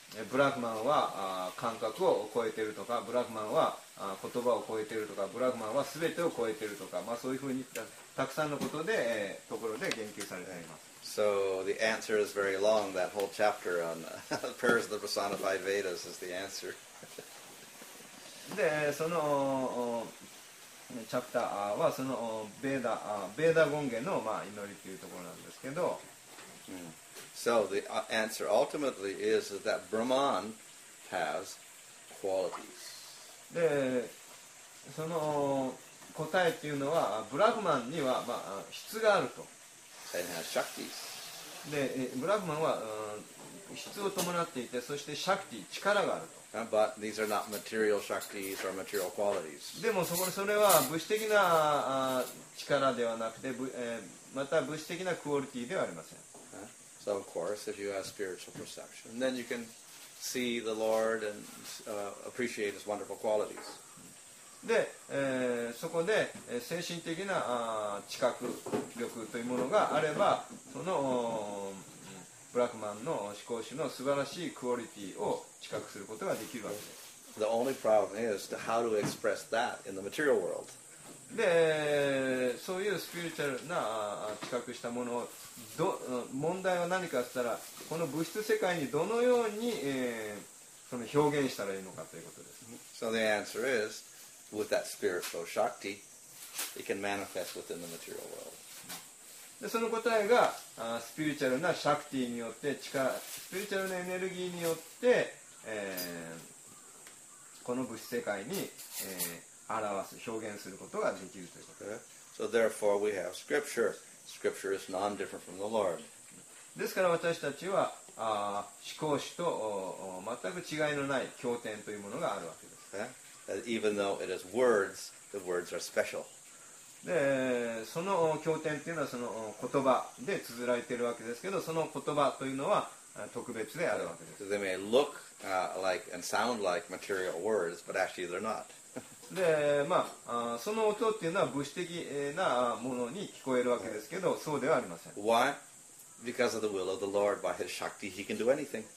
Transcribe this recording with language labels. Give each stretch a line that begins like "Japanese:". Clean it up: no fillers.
Japanese: ブラフマンは感覚を超えているとか、ブラフマンは言葉を超えているとか、ブラフマンは全てを超えているとか、まあ、そういうふうにたくさんのことで、ところで言及されています。
English: So the answer is very long, that whole chapter on prayers of the personified Vedas is the answer.
Japanese: で、そのチャプターはそのベーダ権現の、まあ、祈りというところなんですけど、
English: So the answer ultimately is that Brahman has qualities.
Japanese: で、その答えというのは、ブラフマンには、まあ、質があると。
English: And has shaktis.
Japanese: で、ブラフマンは、質を伴っていて、そしてシャクティ、力があると。
English: But these are not material shaktis or material qualities.
Japanese: でもそれは物質的な力ではなくて、また物質的なクオリティではありません。
English: So of course, if you have spiritual perception, then you can see the Lord and appreciate His wonderful qualities.
Japanese: で、そこで精神的な知覚力というものがあれば、そのブラフマンの思考主の素晴らしいクオリティを知覚することができるわけです。
English: The only problem is to how to express that in the material world.
Japanese: で、そういうスピリチュアルな知覚したものを問題は何かって言ったら、この物質世界にどのように、その表現したらいいのかということです。
English: So the answer is with that spiritual shakti it can manifest within the material world.
Japanese: で、その答えがスピリチュアルなシャクティによって力、スピリチュアルなエネルギーによって、この物質世界に、表す、表現することができるということです。
English: So therefore we have scripture. Scripture is non-different from the Lord.
Japanese: ですから私たちは思考主と全く違いのない経典というものがあるわけです。
English: Even though it is words, the words are special.
Japanese: で、その経典というのはその言葉で綴られているわけですけど、その言葉というのは特別であるわけです。
English: They may look like and sound like material words, but actually they're not.
Japanese: で、まあ、その音っていうのは物質的なものに聞こえるわけですけど、そうではありません。
English: Why? Because of the will of the Lord, by His Shakti, He can do anything.